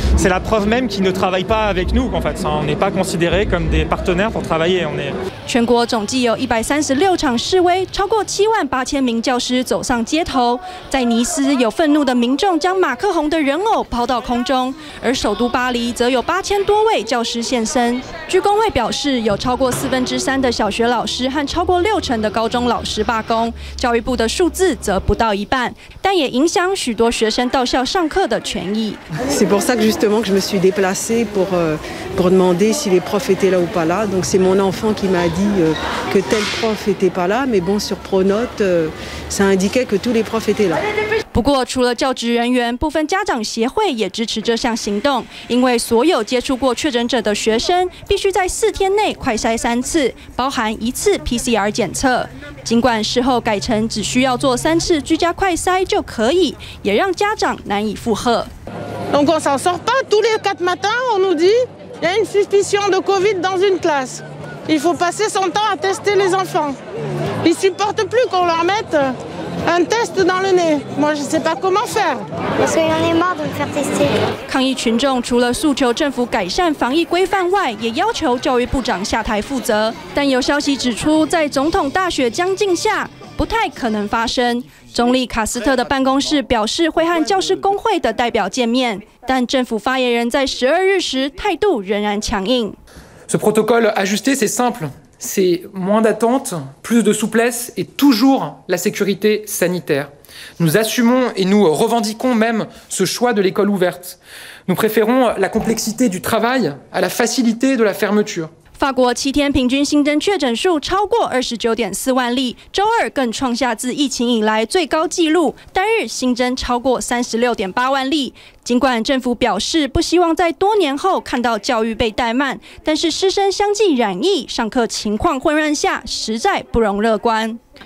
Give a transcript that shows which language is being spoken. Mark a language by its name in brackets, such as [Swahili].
[French] C'est la preuve même qu'ils ne travaillent pas avec nous. En fait, on n'est pas considérés comme des partenaires pour travailler. [Chinese] 全国总计有136场示威，超过78000名教师走上街头。在尼斯，有愤怒的民众将马克宏的人偶抛到空中，而首都巴黎则有8000多位教师现身。据工会表示，有超过3/4的小学老师和超过60%的高中老师罢工，教育部的数字则不到1半，但也影响许多学生到校上课的权益。 [French] C'est pour ça que justement je me suis déplacée pour demander si les profs étaient là ou pas là. Donc c'est mon enfant qui m'a dit que tel prof était pas là, mais bon sur Pronote ça indiquait que tous les profs étaient là. [Chinese] 不过除了教职人员，部分家长协会也支持这项行动，因为所有接触过确诊者的学生必须在4天内快筛3次，包含1次 PCR 检测。尽管事后改成只需要做3次居家快筛就可以，也让家长难以负荷。 [French] Donc on s'en sort pas tous les 4 matins, on nous dit il y a une suspicion de Covid dans une classe. Il faut passer son temps à tester les enfants. Ils supportent plus qu'on leur mette. Un test dans le nez. Moi, je ne sais pas comment faire. Parce qu'il y en a marre de me faire tester. [Chinese] 抗议群众除了诉求政府改善防疫规范外，也要求教育部长下台负责。但有消息指出，在总统大选将近下，不太可能发生。总理卡斯特的办公室表示会和教师工会的代表见面，但政府发言人在12日时态度仍然强硬。 [French] Ce protocole ajusté, c'est simple. C'est moins d'attente, plus de souplesse et toujours la sécurité sanitaire. Nous assumons et nous revendiquons même ce choix de l'école ouverte. Nous préférons la complexité du travail à la facilité de la fermeture. [Chinese] 法国7天平均新增确诊数超过29.4万例，周二更创下自疫情以来最高纪录，单日新增超过36.8万例。尽管政府表示不希望在多年后看到教育被怠慢，但是师生相继染疫，上课情况混乱下，实在不容乐观。